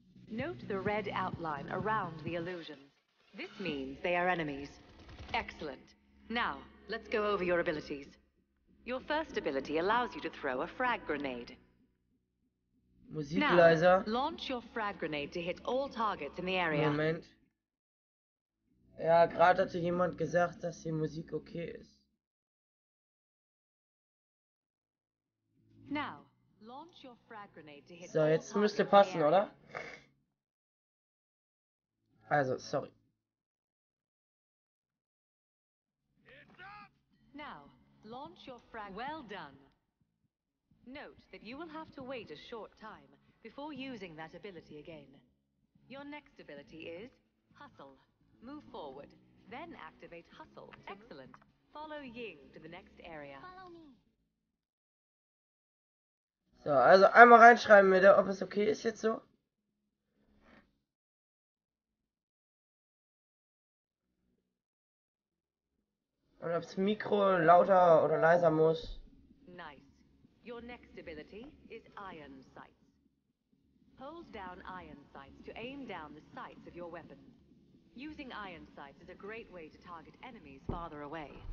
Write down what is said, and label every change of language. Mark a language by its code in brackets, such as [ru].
[en] Note the red outline around the illusions. This means they are enemies. Excellent. Now, let's go over your abilities. Your first ability allows you to throw a frag grenade. [de] Musikleiser. [en] Now, launch your frag grenade to hit all targets in the area. [de] Moment. Ja, gerade hatte jemand gesagt, dass die Musik okay ist. [en] Now, launch your frag grenade to hit. [de] So, jetzt müsste passen, oder? Also, sorry. [en] Now, launch your frag. Well done. Note that you will have to wait a short time before using that ability again. Your next ability is hustle. Move forward, then activate hustle. Excellent. Follow Ying to the next area. Follow me. [de] So, also einmal reinschreiben wieder, ob es okay ist jetzt so. Und ob das Mikro lauter oder leiser muss. [en] Nice. Your next ability is iron sights. Hold down iron sights to aim down the sights of your weapon. Using iron sights is a great way to target enemies farther away.